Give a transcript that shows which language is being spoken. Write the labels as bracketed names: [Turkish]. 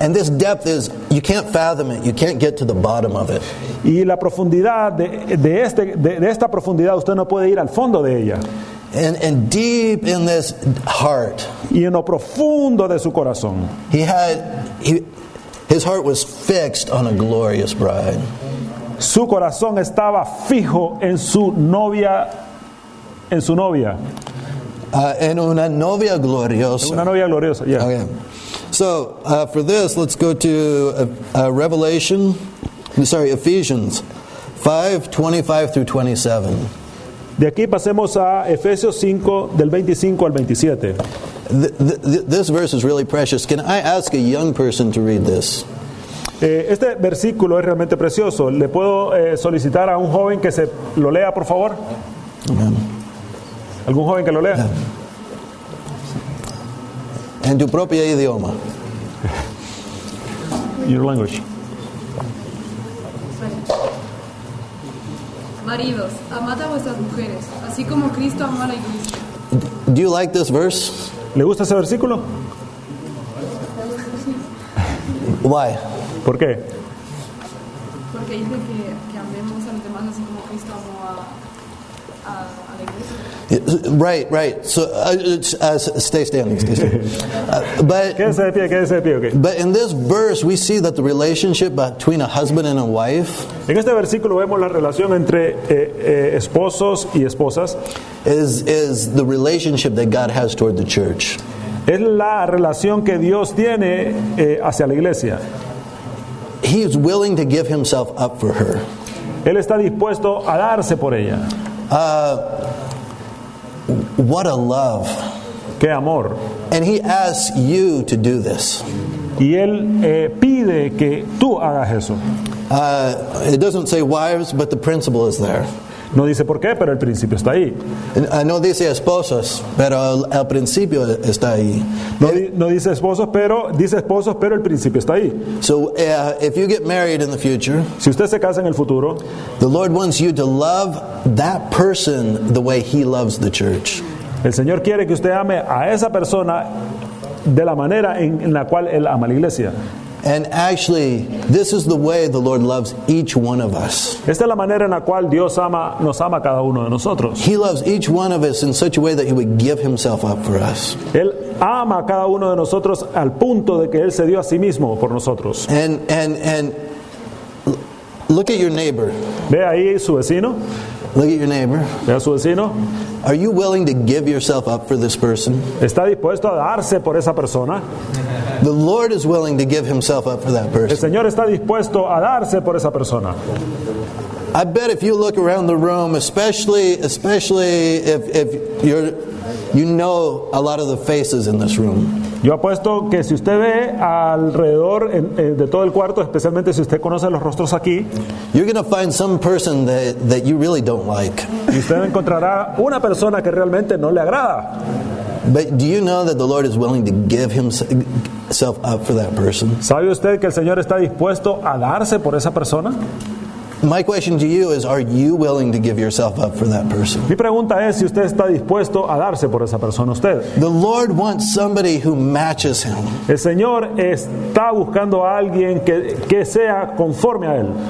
[English] And this depth is, you can't fathom it, you can't get to the bottom of it. [Spanish] Y la profundidad de esta profundidad, usted no puede ir al fondo de ella. [English] And deep in this heart. [Spanish] Y en lo profundo de su corazón. [English] His heart was fixed on a glorious bride. [Spanish] Su corazón estaba fijo en su novia, En una novia gloriosa. Una novia gloriosa, yeah. [English] Okay. So, for this, let's go to Revelation. sorry, Ephesians 5:25-27. [Spanish] De aquí pasemos a Efesios 5 del 25 al 27. [English] This verse is really precious. Can I ask a young person to read this? [Spanish] Este versículo es realmente precioso. ¿Le puedo solicitar a un joven que se lo lea, por favor? Amen. ¿Algún joven que lo lea? En tu propio idioma. [English] In your language. [Spanish] Maridos, amad a vuestras mujeres, así como Cristo amó a la iglesia. [English] Do you like this verse? [Spanish] ¿Le gusta ese versículo? [English] Why? [Spanish] ¿Por qué? Porque dice que amemos a los demás así como Cristo amó a la iglesia. [English] Right. So, stay standing. Okay. But in this verse, we see that the relationship between a husband and a wife. [Spanish] En este versículo vemos la relación entre esposos y esposas. [English] Is the relationship that God has toward the church. [Spanish] Es la relación que Dios tiene hacia la iglesia. [English] He is willing to give himself up for her. [Spanish] Él está dispuesto a darse por ella. [English] What a love. [Spanish] Qué amor. [English] And he asks you to do this. [Spanish] Y él pide que tú hagas eso. [English] It doesn't say wives, but the principle is there. [Spanish] No dice por qué, pero el principio está ahí. No dice esposos, pero el principio está ahí. No dice esposos, pero dice esposos, pero el principio está ahí. [English] So if you get married in the future, [Spanish] si usted se casa en el futuro, [English] the Lord wants you to love that person the way He loves the church. [Spanish] El Señor quiere que usted ame a esa persona de la manera en la cual él ama a la iglesia. [English] And actually, this is the way the Lord loves each one of us. [Spanish] Esta es la manera en la cual Dios ama, nos ama a cada uno de nosotros. [English] He loves each one of us in such a way that He would give Himself up for us. [Spanish] Él ama a cada uno de nosotros al punto de que Él se dio a sí mismo por nosotros. [English] And look at your neighbor. [Spanish] Ve ahí su vecino. [English] Look at your neighbor. [Spanish] Ve a su vecino. [English] Are you willing to give yourself up for this person? [Spanish] ¿Está dispuesto a darse por esa persona? [English] The Lord is willing to give Himself up for that person. [Spanish] El Señor está dispuesto a darse por esa persona. [English] I bet if you look around the room, especially if you know a lot of the faces in this room. [Spanish] Yo apuesto que si usted ve alrededor de todo el cuarto, especialmente si usted conoce los rostros aquí, [English] you're going to find some person that you really don't like. [Spanish] Y usted encontrará una persona que realmente no le agrada. [English] But do you know that the Lord is willing to give Himself up for that person? [Spanish] ¿Sabe usted que el Señor está dispuesto a darse por esa persona? [English] My question to you is, are you willing to give yourself up for that person? [Spanish] Mi pregunta es si usted está dispuesto a darse por esa persona usted. [English] The Lord wants somebody who matches Him. [Spanish] El Señor está buscando a alguien que sea conforme a Él.